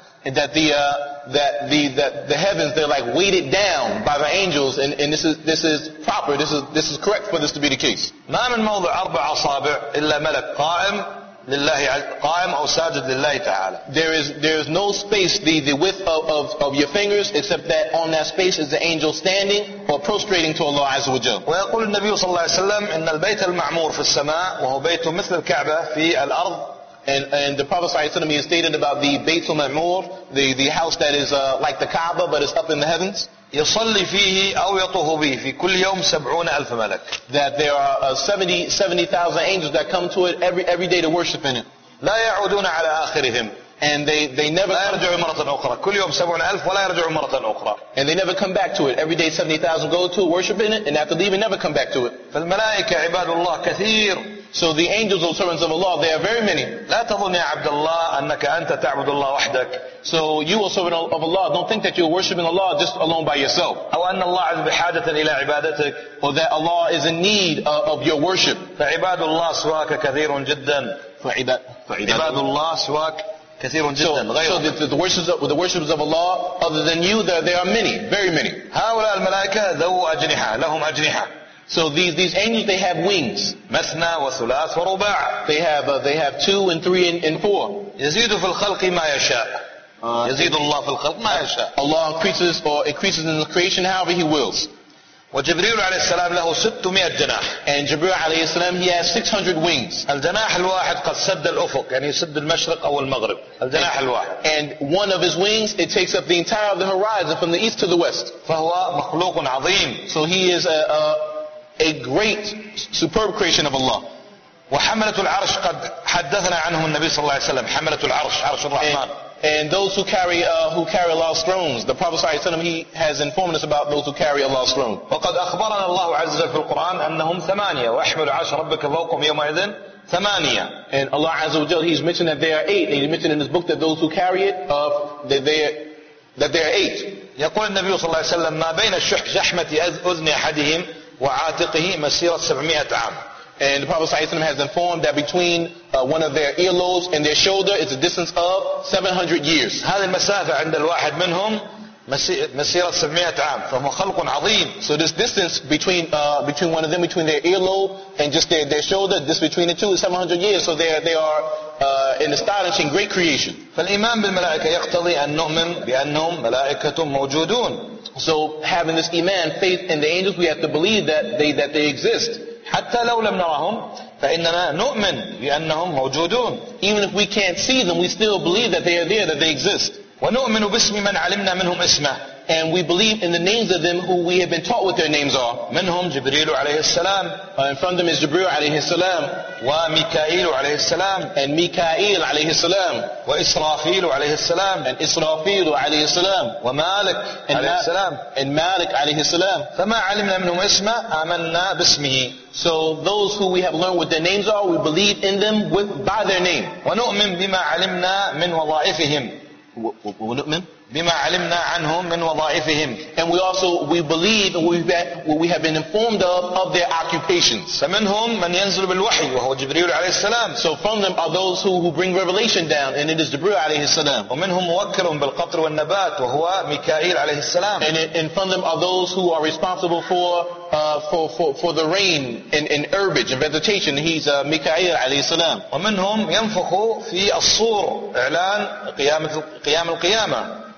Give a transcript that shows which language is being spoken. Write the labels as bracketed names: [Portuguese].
[English] And that the heavens, they're like weighted down by the angels, and this is proper, this is correct for this to be the case. [Arabic] ما من موضع أربع أصابع إلا ملك قائم لله قائم أو ساجد لله تعالى. [English] There is no space the width of your fingers except that on that space is the angel standing or prostrating to Allah [Arabic] عز وجل. ويقول النبي صلى الله عليه وسلم إن البيت المعمور في السماء وهو بيت مثل الكعبة في الأرض. [English] And the Prophet [Arabic] صلى الله عليه وسلم [English] has stated about the Bayt al-Ma'mur, the house that is like the Kaaba, but it's up in the heavens. [Arabic] يصلي فيه أو يطوف به في كل يوم 70,000 ملك. [English] That there are 70,000 angels that come to it every day to worship in it. [Arabic] لا يعودون على آخرهم. [English] And they never. [Arabic] لا يرجعوا مرة أخرى. كل يوم 70,000 ولا يرجعوا مرة أخرى. [English] And they never come back to it. Every day 70,000 go to worship in it, and after leaving never come back to it. [Arabic] فالملائكة عباد الله كثير. [English] So the angels or servants of Allah, they are very many. [Arabic] لا تظن يا عبد الله أنك أنت تعبد الله وحدك. [English] So you, a servant of Allah, don't think that you're worshiping Allah just alone by yourself. [Arabic] أو أن الله عز بحاجة إلى عبادتك. [English] Or that Allah is in need of your worship. [Arabic] فعباد الله سواك كثير جدا. فعباد الله سواك كثير جدا. [English] So the worshipers of Allah, other than you, they are many, very many. [Arabic] هؤلاء الملائكة ذو أجنحة لهم أجنحة. [English] So these angels, they have wings. [Arabic] مثنى وثلاث ورباع. [English] They have two and three and four. [Arabic] يزيد في الخلق ما يشاء. يزيد الله في الخلق ما يشاء. [English] Allah increases in the creation however He wills. [Arabic] وجبريل عليه السلام له 600 جناح. [English] And Jibril [Arabic] عليه السلام, [English] he has 600 wings. [Arabic] الجناح الواحد قد سد الأفق, يعني يسد المشرق أو المغرب. الجناح الواحد. [English] And one of his wings, it takes up the entire of the horizon from the east to the west. [Arabic] فهو مخلوق عظيم. [English] So he is a great, superb creation of Allah. [Arabic] وحملة العرش قد حدثنا عنهم النبي صلى الله عليه وسلم. حملة العرش, عرش الرحمن. [English] And those who carry Allah's thrones, the Prophet [Arabic] صلى الله عليه وسلم, [English] he has informed us about those who carry Allah's throne. [Arabic] وقد أخبرنا الله عز وجل في القرآن أنهم ثمانية وأحمل عرش ربك فوقهم يومئذ ثمانية. [English] And Allah [Arabic] عز وجل, [English] he's mentioned that they are eight. And he mentioned in his book that those who carry it, that they are eight. [Arabic] يقول النبي صلى الله عليه وسلم ما بين الشح جحمة أذن أحدهم وعاتقه مسيرة 700 عام. [English] And the Prophet ﷺ has informed that between one of their earlobes and their shoulder is a distance of 700 years. [Arabic] هذه المسافة عند الواحد منهم مسيرة 700 عام. فهو خلق عظيم. [English] So this distance between one of them, between their earlobe and just their shoulder, this between the two is 700 years. So they are an astonishing great creation. [Arabic] فالإيمان بالملائكة يقتضي أن نؤمن بأنهم ملائكة موجودون. [English] So having this iman, faith in the angels, we have to believe that they exist. [Arabic] حتى لو لم نراهم فإننا نؤمن بأنهم موجودون. [English] Even if we can't see them, we still believe that they are there, that they exist. [Arabic] ونؤمن باسم من علمنا منهم اسمه. [English] and we believe in the names of them who we have been taught what their names are. [Arabic] منهم جبريل عليه السلام. [English] And from them is جبريل [Arabic] عليه السلام. وميكائيل عليه السلام. [English] And ميكائيل [Arabic] عليه السلام. وإسرافيل عليه السلام. [English] And إسرافيل [Arabic] عليه السلام. ومالك عليه السلام. [English] And مالك [Arabic] عليه السلام. فما علمنا منهم اسما آمنا باسمه. [English] So those who we have learned what their names are, we believe in them with by their name. [Arabic] ونؤمن بما علمنا من وظائفهم. ونؤمن بما علمنا عنهم من وظائفهم. [English] And we believe and we have been informed of their occupations. [Arabic] فمنهم من ينزل بالوحي وهو جبريل عليه السلام. [English] So from them are those who bring revelation down, and it is جبريل [Arabic] عليه السلام. ومنهم موكل بالقطر والنبات وهو ميكائيل عليه السلام. [English] And from them are those who are responsible for the rain and herbage and vegetation. He's ميكائيل [Arabic] عليه السلام. ومنهم ينفخ في الصور إعلان قيام القيامة.